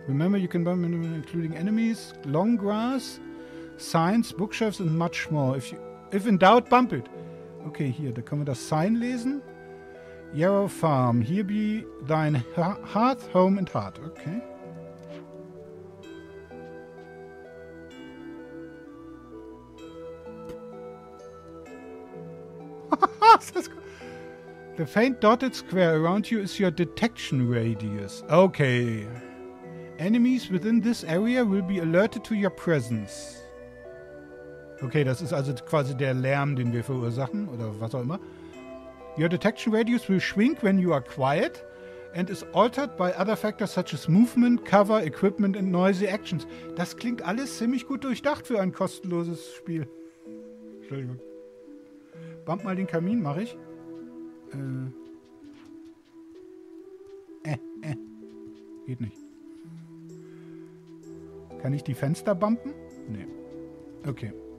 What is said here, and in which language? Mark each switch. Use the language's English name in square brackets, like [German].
[English] Remember, you can buy including enemies, long grass. Signs, bookshelves and much more. If in doubt, bump it. [German] Okay, hier, da können wir das Sign lesen. [English] Yarrow Farm, here be thine hearth, home and heart. Okay. The faint dotted square around you is your detection radius. Okay. Enemies within this area will be alerted to your presence. [German] Okay, das ist also quasi der Lärm, den wir verursachen, oder was auch immer. [English] Your detection radius will shrink when you are quiet and is altered by other factors such as movement, cover, equipment and noisy actions. [German] Das klingt alles ziemlich gut durchdacht für ein kostenloses Spiel. Entschuldigung. Bump mal den Kamin, mach ich. Geht nicht. Kann ich die Fenster bumpen? Nee. Okay.